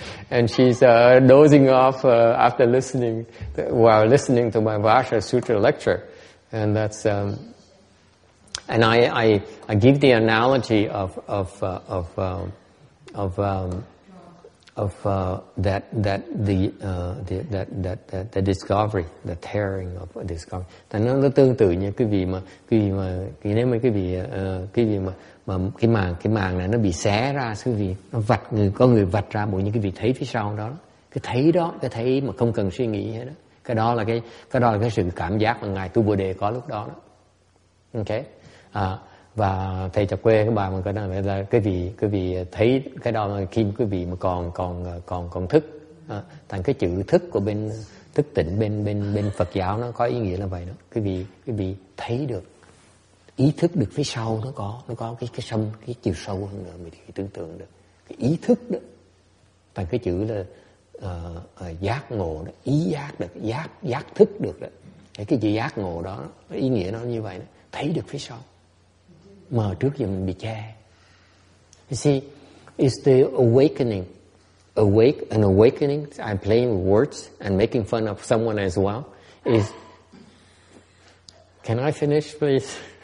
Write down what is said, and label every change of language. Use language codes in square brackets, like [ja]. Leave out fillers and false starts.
[en] and she's dozing off after listening, while listening to my Vajra Sutra lecture, and that's and I give the analogy that discovery, the tearing of a discovery. [vi] Thành nó tương tự như cái màn này nó bị xé ra, quý vị nó vạch, người có người vạch ra bộ những cái vị thấy phía sau đó, cái thấy mà không cần suy nghĩ hết đó. Cái đó là cái sự cảm giác mà ngài Tu Bồ Đề có lúc đó đó. Okay. Và thầy chọc quê các bà mà có nói là cái vị thấy cái đó mà khi quý vị mà còn thức, thành cái chữ thức của bên thức tỉnh bên Phật giáo nó có ý nghĩa là vậy đó. Cái vị thấy được, ý thức được phía sau nó có cái sâm, cái chiều sâu hơn nữa, mình thì tưởng tượng được cái ý thức đó, thành cái chữ là giác ngộ đó, ý giác được, giác thức được đó. Cái chữ giác ngộ đó, ý nghĩa nó như vậy đó, thấy được phía sau mà trước giờ mình bị che. [en] You see, it's the awakening. Awake, an awakening, I'm playing with words and making fun of someone as well. Is, can I finish, please?